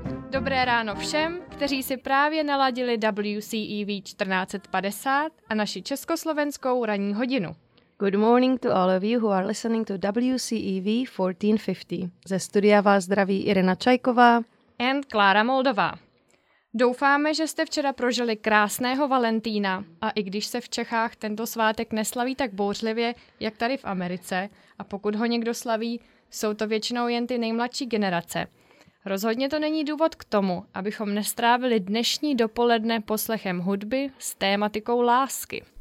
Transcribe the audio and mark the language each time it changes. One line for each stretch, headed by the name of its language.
Czech: Dobré ráno všem, kteří si právě naladili WCEV 1450 a naši československou ranní hodinu.
English: Good morning to all of you who are listening to WCEV 1450.
Czech: Ze studia vás zdraví Irena Čajková
English: and Klára Moldová.
Czech: Doufáme, že jste včera prožili krásného Valentína a i když se v Čechách tento svátek neslaví tak bouřlivě, jak tady v Americe, a pokud ho někdo slaví, jsou to většinou jen ty nejmladší generace. Rozhodně to není důvod k tomu, abychom nestrávili dnešní dopoledne poslechem hudby s tématikou lásky.